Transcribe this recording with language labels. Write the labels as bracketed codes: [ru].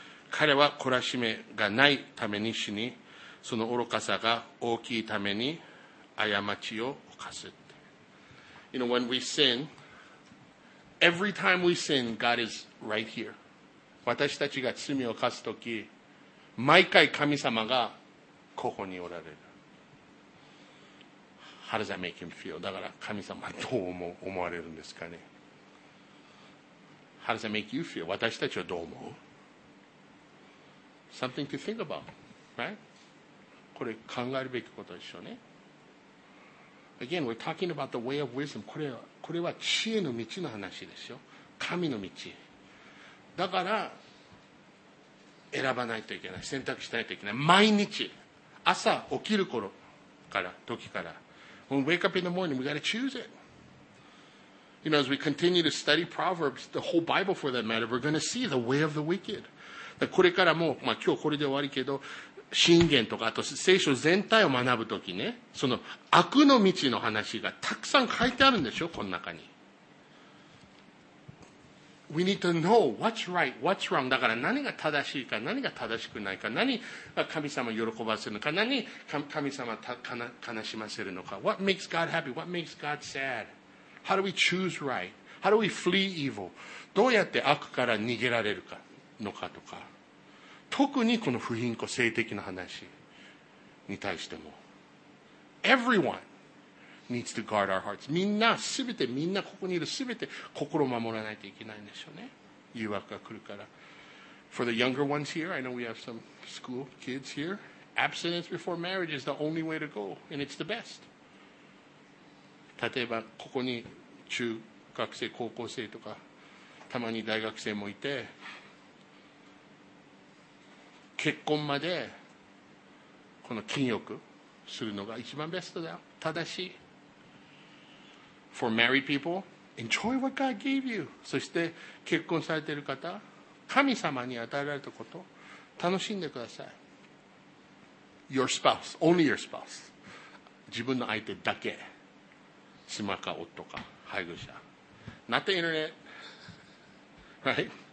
[ja] 彼は懲らしめがないために死に、その愚かさが大きいために過ちを犯す。 [en] You know, when we sin, every time we sin, God is right here. [ja] 私たちが罪を犯すとき、毎回神様がここにおられる。 [en] How does that make him feel? [ja] だから神様どう思われるんですかね。 [en] How does that make you feel? [ja] 私たちはどう思う? [en] Something to think about, right? [ja] これ考えるべきことでしょうね。 [en] Again, we're talking about the way of wisdom. [ja] これは知恵の道の話ですよ。神の道。だから、選ばないといけない。選択しないといけない。毎日。朝起きる頃から、時から。 [en] When we wake up in the morning, we gotta choose it. You know, as we continue to study Proverbs, the whole Bible for that matter, we're gonna see the way of the wicked. [ja] だからこれからも、まあ今日これで終わりけど、神言とか、あと聖書全体を学ぶときね、その悪の道の話がたくさん書いてあるんでしょ、この中に。 [en] We need to know what's right, what's wrong. [ja] だから何が正しいか、何が正しくないか、何が神様を喜ばせるのか、何が神様を悲しませるのか。 [en] What makes God happy? What makes God sad? How do we choose right? How do we flee evil? [ja] どうやって悪から逃げられるかのかとか。特にこの不貧困、性的な話に対しても。 [en] Everyone needs to guard our hearts. [ja] みんな、すべて、みんなここにいるすべて、心を守らないといけないんでしょうね。誘惑が来るから。 [en] For the younger ones here, I know we have some school kids here. Abstinence before marriage is the only way to go, and it's the best. [ja] 例えば、ここに中学生、高校生とか、たまに大学生もいて、結婚までこの禁欲するのが一番ベストだよ。正しい。 [en] For married people, enjoy what God gave you. [ja] そして結婚されている方、神様に与えられたこと、楽しんでください。 [en] Your spouse, only your spouse. [ja] 自分の相手だけ。妻か夫か配偶者。 [en] Not the internet. Right?